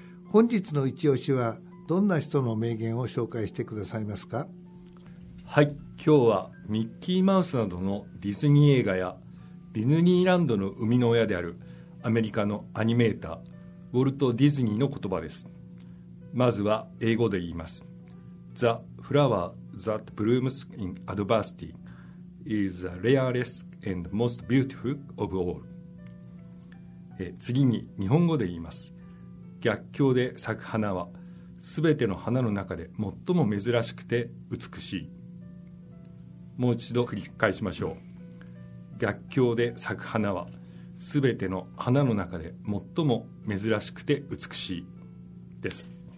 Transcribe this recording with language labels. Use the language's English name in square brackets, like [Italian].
[Japanese] 本日の一押しはどんな人の名言を紹介してくださいますか？はい、今日はミッキーマウスなどのディズニー映画やディズニーランドの生みの親であるアメリカのアニメーターウォルト・ディズニーの言葉です。まずは英語で言います。 [English] The flowerThat blooms in adversity is the rarest and most beautiful of all。 [Japanese] 次に日本語で言います。逆境で咲く花はすべての花の中で最も珍しくて美しい。もう一度繰り返しましょう。逆境で咲く花はすべての花の中で最も珍しくて美しいです。